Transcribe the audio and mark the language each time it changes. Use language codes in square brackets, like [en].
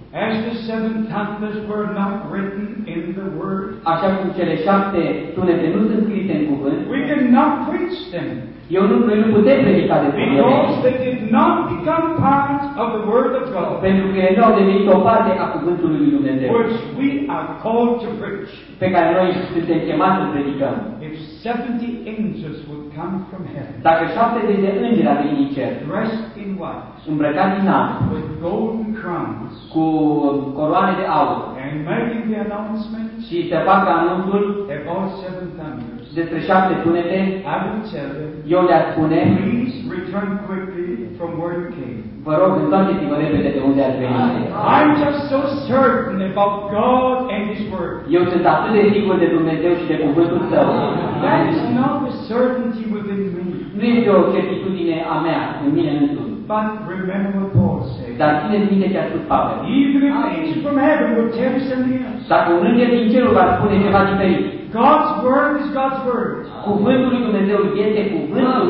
[en] As the seven thunders were not written in the word. [ro] Așa cum cele șapte tunete nu sunt scrise în cuvânt. [en] We cannot preach them. [ro] Noi nu putem predica de cuvânt. [en] Because they did not become part of the word of God. [ro] Pentru că ele nu au devenit o parte a cuvântului lui Dumnezeu. [en] Which we are called to preach. [ro] Pe care noi suntem chemați să predicăm. [en] If 70 angels would come from heaven. [ro] Dacă 70 de îngeri ar veni din cer. [en] Dressed in white. [ro] Îmbrăcat în alb. [en] With golden crowns. [ro] Cu coroane de aur. [en] And making the announcement. [ro] Și să facă anunțul. [en] About seven thunders. [ro] Despre șapte tunete, eu le-aș spune, [en] please return quickly from where you came. [ro] Vă rog, întoarceți-vă repede de unde ați venit. [en] I'm just so certain about God and His word. [ro] Eu sunt atât de sigur de Dumnezeu și de cuvântul Său. [en] That is not a certainty within me. [ro] Nu este o certitudine a mea, în mine însumi. [en] But remember what Paul said. [ro] Dar ține minte ce a spus Pavel. [en] Even if an angel from heaven would tell you something else. [ro] Dacă un înger din cer va spune ceva diferit. [en] God's word is God's word. [ro] Cuvântul lui Dumnezeu este cuvântul lui